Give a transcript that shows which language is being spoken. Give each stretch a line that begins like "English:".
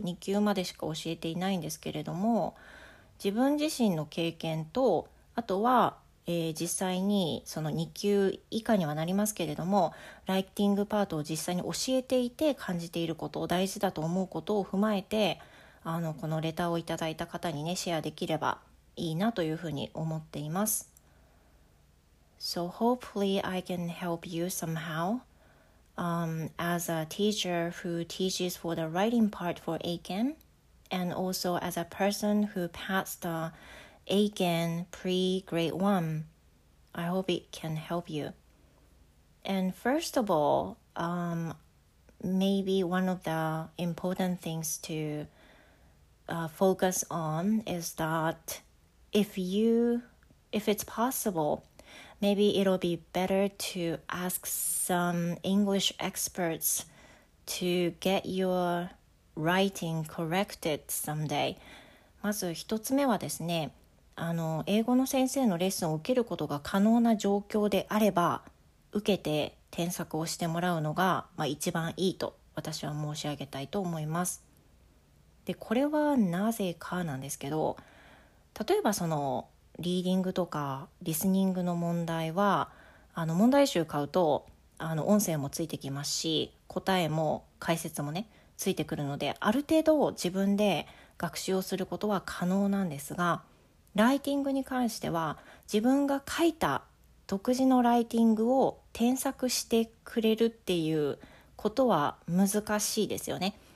Japanese: 2級までしか教えていないんですけれども、自分自身の経験と、あとは、実際にその2級以下にはなりますけれども、ライティングパートを実際に教えていて感じていることを、大事だと思うことを踏まえて、あのこのレターをいただいた方にね、シェアできればいいなというふうに思っています。
English: So hopefully I can help you somehow. As a teacher who teaches for the writing part for AKEN, and also as a person who passed the AKEN pre-grade 1, I hope it can help you. And first of all, maybe one of the important things tofocus on is that if it's possible, maybe it'll be better to ask some English experts to get your writing corrected someday.
Japanese: まず一つ目はですね、あの英語の先生のレッスンを受けることが可能な状況であれば、受けて添削をしてもらうのが、まあ、一番いいと私は申し上げたいと思います。でこれはなぜかなんですけど、例えばそのリーディングとかリスニングの問題は、あの問題集買うとあの音声もついてきますし、答えも解説もねついてくるので、ある程度自分で学習をすることは可能なんですが、ライティングに関しては自分が書いた独自のライティングを添削してくれるっていうことは難しいですよね。